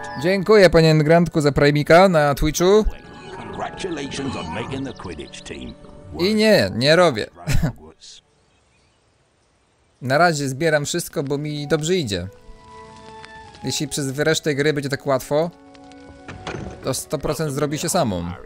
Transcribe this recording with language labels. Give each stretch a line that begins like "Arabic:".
Polish: Dziękuję, panie Grantku, za Prime'ika na Twitchu.
English: Congratulations on making the Quidditch team.
Polish: I nie robię. Na razie zbieram wszystko, bo mi dobrze idzie. Jeśli przez resztę gry będzie tak łatwo, to 100% zrobi się samą.